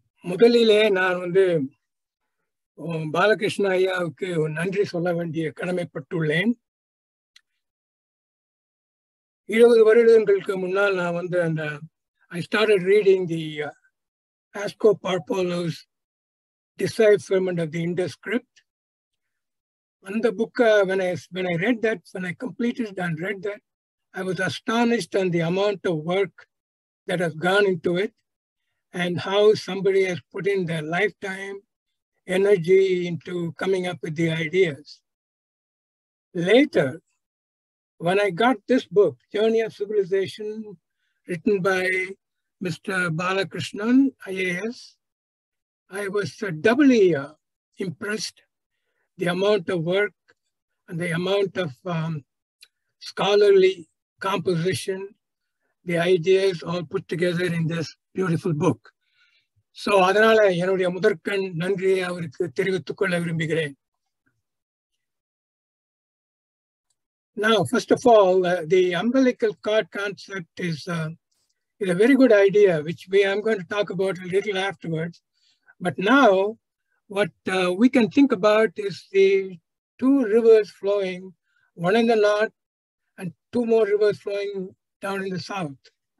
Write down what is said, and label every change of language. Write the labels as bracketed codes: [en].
[ta] முதலிலே நான் வந்து பாலகிருஷ்ண ஐயாவுக்கு நன்றி சொல்ல வேண்டிய கடமைப்பட்டுள்ளேன். 20 வருடங்களுக்கு முன்னால் நான் வந்து அந்த [en] I started reading the Asko Parpola's decipherment of the Indus script. [ta] அந்த புக்கை [en] when I read that, I was astonished on the amount of work that has gone into it. And how somebody has put in their lifetime energy into coming up with the ideas. Later, when I got this book, Journey of Civilization, written by Mr. Balakrishnan, IAS, I was doubly impressed. The amount of work and the amount of scholarly composition, the ideas all put together in this beautiful book. [ta] So அதனால என்னுடைய முதற்கண் நன்றியை அவருக்கு தெரிவித்துக் கொள்ள விரும்புகிறேன். [en] Now, first of all, the umbilical cord concept is a very good idea, which I'm going to talk about a little afterwards. But now, what we can think about is the two rivers flowing, one in the north and two more rivers flowing down in the south.